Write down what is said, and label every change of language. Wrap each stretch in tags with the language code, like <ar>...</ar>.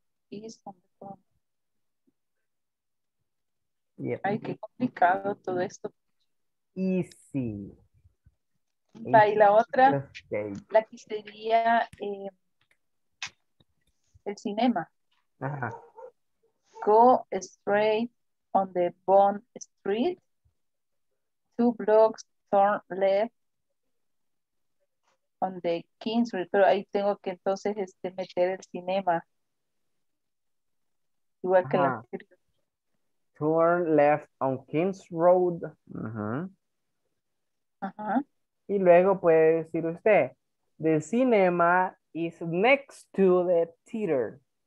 <en>Is on the corner.</en> <es>Yep. Ay, qué complicado todo esto.</es> <en>Easy.</en> <es>Y la otra, la que sería el cinema. Ajá.</es> <en>Go straight on the Bond Street, two blocks turn left on the King Street.</en> <es>Pero ahí tengo que entonces meter el cinema. Igual que la anterior.</es> <en>Turn left on King's Road. Ajá. Ajá.</en> <es>Y luego puede decir usted,</es> <en>the cinema is next to the theater.</en>